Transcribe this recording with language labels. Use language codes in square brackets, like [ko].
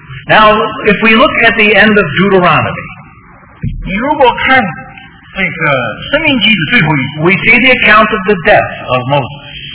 [en] Now, if we look at the end of Deuteronomy, [zh] 你如果看这个生命记的最后一部 [en] we see the account of the death of Moses.